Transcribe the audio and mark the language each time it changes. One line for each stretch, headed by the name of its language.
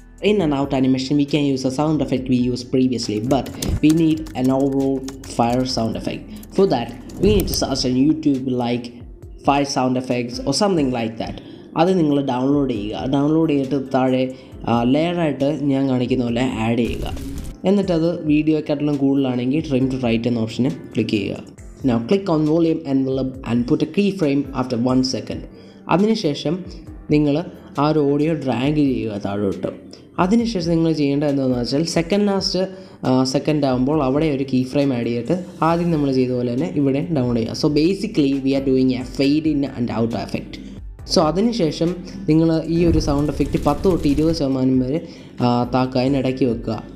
English: In and out animation, we can use a sound effect we used previously, but we need an overall fire sound effect. For that, we need to search on YouTube like fire sound effects or something like that.
Malayalam: അത് നിങ്ങൾ download ചെയ്യുക. Download ചെയ്തിട്ട് താഴെ ലെയറായിട്ട് ഞാൻ കാണിക്കുന്ന പോലെ add ചെയ്യുക. എന്നിട്ടത് വീഡിയോക്കാട്ടിലും കൂടുതലാണെങ്കിൽ ട്രിം ടു റൈറ്റ് എന്ന ഓപ്ഷന് ക്ലിക്ക് ചെയ്യുക.
English: Now click on volume envelope and put a keyframe after 1 second.
Malayalam: അതിനുശേഷം നിങ്ങൾ ആ ഒരു ഓഡിയോ ഡ്രാഗ് ചെയ്യുക താഴോട്ട്. അതിനുശേഷം നിങ്ങൾ ചെയ്യേണ്ടത് എന്താണെന്ന് വെച്ചാൽ സെക്കൻഡ് ലാസ്റ്റ് സെക്കൻഡ് ആകുമ്പോൾ അവിടെ ഒരു കീ ഫ്രെയിം ആഡ് ചെയ്തിട്ട് ആദ്യം നമ്മൾ ചെയ്തതുപോലെ തന്നെ ഇവിടെ ഡൗൺലോഡ് ചെയ്യുക.
English: So basically we are doing a fade in and out effect.
Malayalam: So അതിനുശേഷം നിങ്ങൾ ഈ ഒരു സൗണ്ട് എഫക്റ്റ് 10-20% വരെ താക്കുക, അതിനിടയ്ക്ക് വെക്കുക.